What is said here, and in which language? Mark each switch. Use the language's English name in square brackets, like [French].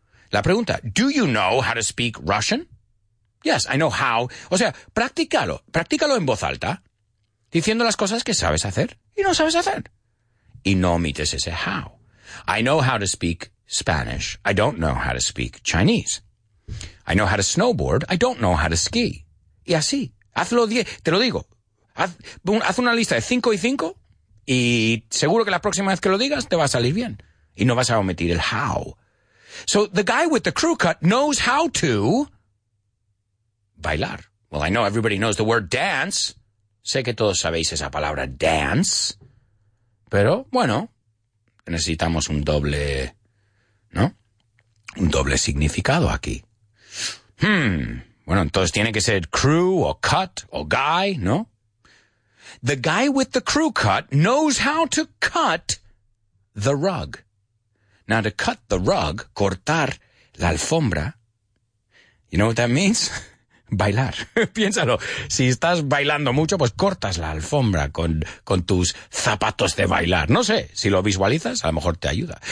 [Spanish] La pregunta, [English] do you know how to speak Russian? Yes, I know how. [Spanish] O sea, practícalo. Practícalo en voz alta. Diciendo las cosas que sabes hacer y no sabes hacer. Y no omites ese how. [English] I know how to speak Spanish. I don't know how to speak Chinese. I know how to snowboard. I don't know how to ski. [Spanish] Y así. Hazlo 10. Te lo digo. Haz una lista de 5 y 5 y seguro que la próxima vez que lo digas te va a salir bien. Y no vas a omitir el how. [English] So the guy with the crew cut knows how to bailar. Well, I know everybody knows the word dance. [Spanish] Sé que todos sabéis esa palabra dance, pero bueno, necesitamos un doble, ¿no? Un doble significado aquí. Bueno, entonces tiene que ser crew o cut o guy, ¿no? [English] The guy with the crew cut knows how to cut the rug. Now, to cut the rug, [Spanish] cortar la alfombra, [English] you know what that means? [Spanish] Bailar. Piénsalo. Si estás bailando mucho, pues cortas la alfombra con tus zapatos de bailar. No sé. Si lo visualizas, a lo mejor te ayuda.